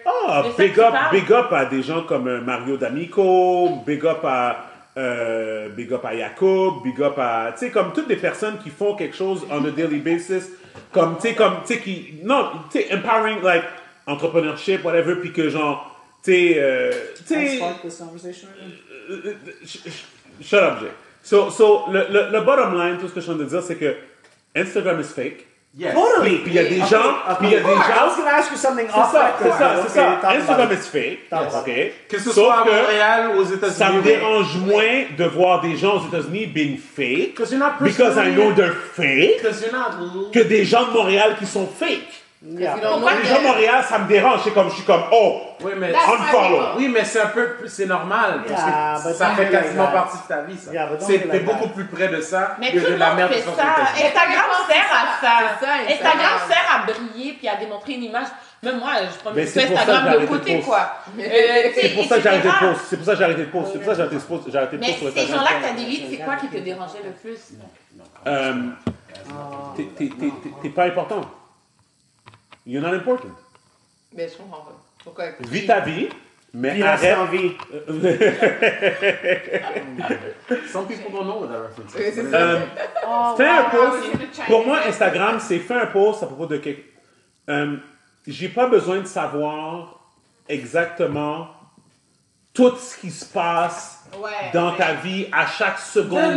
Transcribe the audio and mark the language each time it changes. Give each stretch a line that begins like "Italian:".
French: Ah, oh, big up à des gens comme Mario D'Amico, big up à Jacob, big up à, tu sais, comme toutes des personnes qui font quelque chose
English: on a daily basis,
French: comme, tu sais, qui, non, tu sais,
English: empowering, like, entrepreneurship,
French: whatever, puis que genre, tu sais,
English: shut up,
French: Jay. So, le bottom line, tout ce que je suis en train de dire, c'est que
English: Instagram is fake. Yes. Totally.
French: Puis il y a des gens.
English: I was going to ask you something off the record.
French: C'est ça.
English: Instagram is fake. Yes. Okay.
French: Que ce soit à Montréal ou aux États-Unis. Ça me dérange moins de voir des gens aux États-Unis
English: being fake. Because you're not personally. Because I know they're fake. Because you're not blue.
French: Que des gens de Montréal qui sont fake.
English: Yeah.
French: Les gens de Montréal, ça me dérange. Je suis comme, oh, oui, mais
English: unfollow.
French: Oui, mais c'est un peu, c'est normal. Parce que ça fait quasiment partie de ta vie, ça. T'es beaucoup plus près de ça que de la merde de son côté. Instagram sert à ça. Instagram sert à briller puis à démontrer une image. Même moi, je prends sur Instagram de côté, quoi. C'est pour ça que j'ai arrêté de poster. C'est pour ça que j'ai arrêté de poster. Mais ces gens-là que t'as délite, c'est quoi qui te dérangeait le plus? T'es pas important.
English: You're not important.
French: Mais je comprends pas. Pourquoi? Vis ta vie, mais puis arrête. En vie.
English: Some people don't know what that reference is.
French: Pour moi, Instagram, c'est fait un post à propos de quelque... j'ai pas besoin de savoir exactement tout ce qui se passe dans ta vie à chaque seconde